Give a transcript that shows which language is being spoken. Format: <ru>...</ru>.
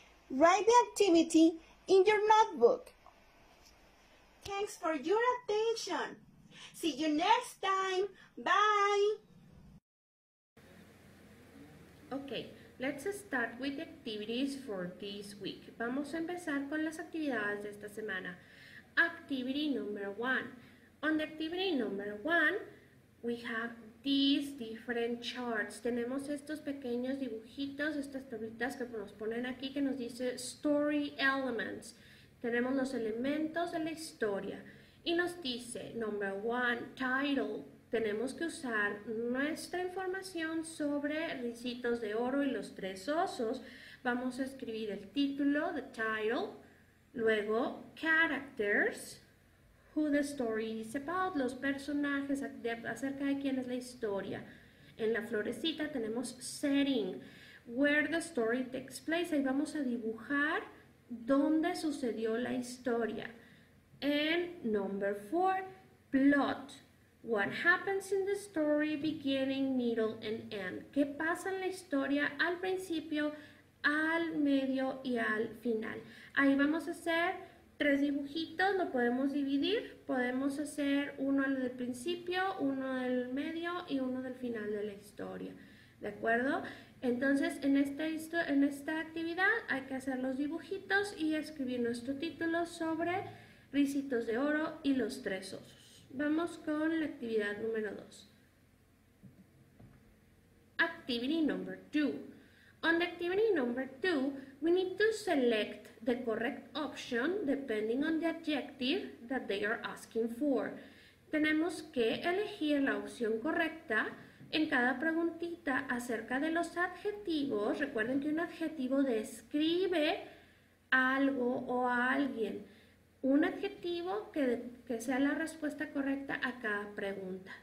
<en>Write the activity in your notebook. Thanks for your attention. See you next time. Bye! Okay, let's start with the activities for this week.</en> <es>Vamos a empezar con las actividades de esta semana.</es> <en>Activity number one. On the activity number one, we have these different charts.</en> <es>Tenemos estos pequeños dibujitos, estas tablitas que nos ponen aquí que nos dice</es> <en>story elements.</en> <es>Tenemos los elementos de la historia. Y nos dice,</es> <en>number one, title.</en> <es>Tenemos que usar nuestra información sobre Ricitos de Oro y los tres osos. Vamos a escribir el título,</es> <en>the title.</en> <es>Luego, characters.</es> <en>Who the story is about,</en> <es>los personajes, acerca de quién es la historia. En la florecita tenemos</es> <en>setting, where the story takes place.</en> <es>Ahí vamos a dibujar dónde sucedió la historia.</es> <en>And number four, plot. What happens in the story, beginning, middle, and end.</en> <es>¿Qué pasa en la historia al principio, al medio y al final? Ahí vamos a hacer Tres dibujitos, lo podemos dividir. Podemos hacer uno al del principio, uno del medio y uno del final de la historia. ¿De acuerdo? Entonces, en esta actividad hay que hacer los dibujitos y escribir nuestro título sobre Ricitos de Oro y los tres osos. Vamos con la actividad número 2.</es> <en>Activity number 2. On the activity number 2, we need to select the correct option depending on the adjective that they are asking for.</en> <es>Tenemos que elegir la opción correcta en cada preguntita acerca de los adjetivos. Recuerden que un adjetivo describe algo o a alguien. Un adjetivo que sea la respuesta correcta a cada pregunta.</es>